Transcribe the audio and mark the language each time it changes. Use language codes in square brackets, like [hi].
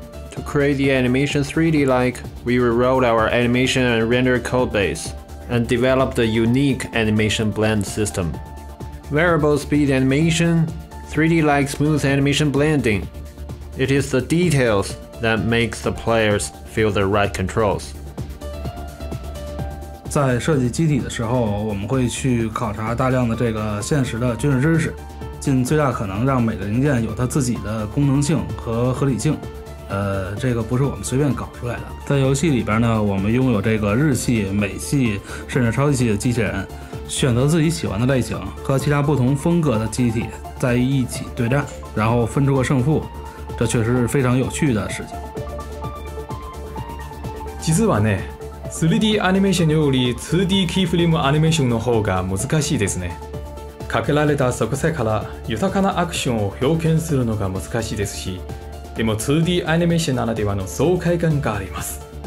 [en] To create the animation 3D-like, we rewrote our animation and render codebase, and developed a unique animation blend system. Variable speed animation, 3D-like smooth animation blending, it is the details that makes the players feel the right controls. [zh] 在设计机体的时候，我们会去考察大量的这个现实的军事知识，尽最大可能让每个零件有它自己的功能性和合理性。这个不是我们随便搞出来的。在游戏里边呢，我们拥有这个日系、美系甚至超级系的机器人，选择自己喜欢的类型和其他不同风格的机体在一起对战，然后分出个胜负，这确实是非常有趣的事情。 [ja] 実はね、3D アニメーションより 2D キーフレームアニメーションの方が難しいですね。かけられた即世から豊かなアクションを表現するのが難しいですし、でも 2D アニメーションならではの爽快感があります。